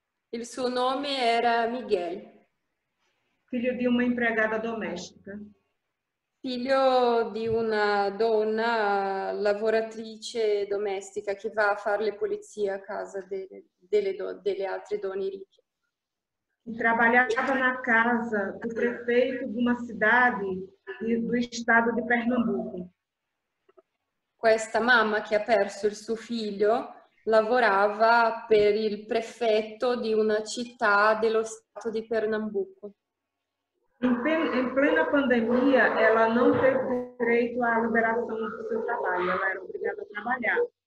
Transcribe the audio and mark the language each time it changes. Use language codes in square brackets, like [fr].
[it] Il suo nome era Miguel. Figlio di una impiegata domestica. Figlio di una donna lavoratrice domestica che va a fare le pulizie a casa delle altre donne ricche. [pt] Trabalhava na casa do prefeito de uma cidade do estado de Pernambuco. [it] Questa mamma che ha perso il suo figlio lavorava per il prefetto di una città dello stato di Pernambuco. In plena pandemia, [pt] ela não teve direito à liberação do seu trabalho, ela era obrigada a trabalhar.